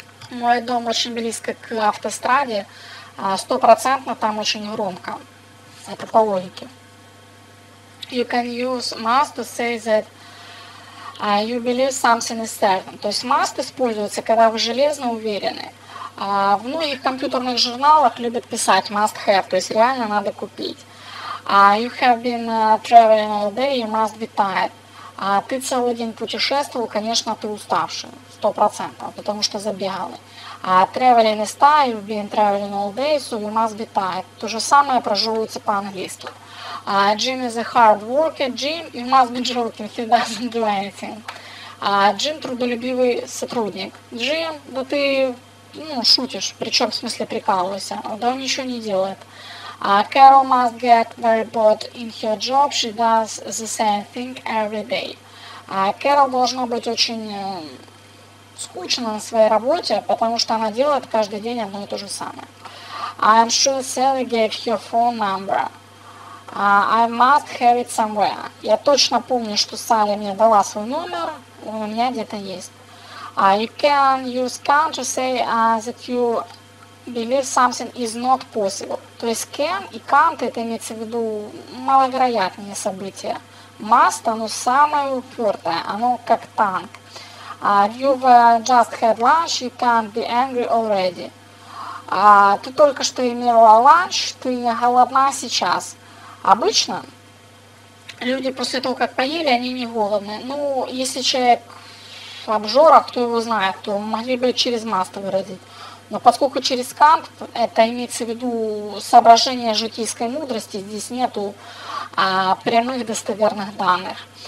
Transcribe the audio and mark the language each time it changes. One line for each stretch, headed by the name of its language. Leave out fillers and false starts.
Russian: Мой дом очень близко к автостраде, 100% там очень громко. Это по логике.
English: You can use must to say that you believe something is certain.
Russian: То есть must используется, когда вы железно уверены. В многих компьютерных журналах любят писать must have, то есть реально надо купить.
English: You have been traveling all day, you must be tired.
Russian: Ты целый день путешествовал, конечно, ты уставший, 100%, потому что забегалый.
English: Traveling is tired, you've been traveling all day, so you must be tired.
Russian: То же самое прожевывается по-английски.
English: Jim is a hard worker. Jim, you must be joking, he doesn't do anything.
Russian: Jim – трудолюбивый сотрудник. Jim, да ты, ну, шутишь, причем в смысле прикалывайся, да он ничего не делает.
English: Carol must get very bored in her job, she does the same thing every day.
Russian: Carol должна быть очень скучно на своей работе, потому что она делает каждый день одно и то же самое.
English: I'm sure Sally gave her phone number. I must have it somewhere.
Russian: Я точно помню, что Салли мне дала свой номер, он у меня где-то есть.
English: You can use can to say that you believe something is not possible.
Russian: То есть can и can't, это имеется в виду маловероятные события. Must, оно самое упертое, оно как танк.
English: You've just had lunch, you can't be angry already.
Russian: Ты только что имела ланч, ты не голодна сейчас. Обычно люди после того, как поели, они не голодны. Ну, если человек в обжорах, кто его знает, то могли бы через must выразить. Но поскольку через can't, это имеется в виду соображение житейской мудрости, здесь нету прямых достоверных данных.